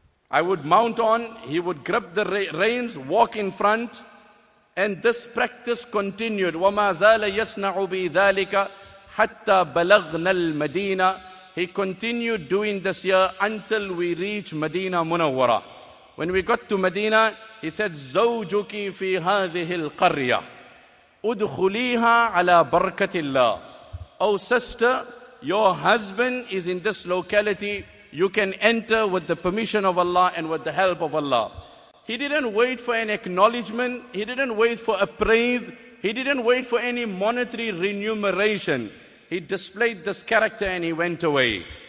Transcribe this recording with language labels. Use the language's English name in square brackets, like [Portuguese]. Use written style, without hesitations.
[English] I would mount on, he would grab the reins, walk in front, and this practice continued. [Arabic] وَمَا زَالَ يَسْنَعُ بِذَلِكَ حَتَّى بَلَغْنَا الْمَدِينَةِ. [English] He continued doing this year until we reached Medina Munawwara. When we got to Medina, he said, [Arabic] زَوْجُكِ فِي هَذِهِ الْقَرْيَةِ اُدْخُلِيهَا عَلَىٰ بَرْكَةِ اللَّهِ. [English] Oh sister, your husband is in this locality. You can enter with the permission of Allah and with the help of Allah. He didn't wait for an acknowledgement. He didn't wait for a praise. He didn't wait for any monetary remuneration. He displayed this character and he went away.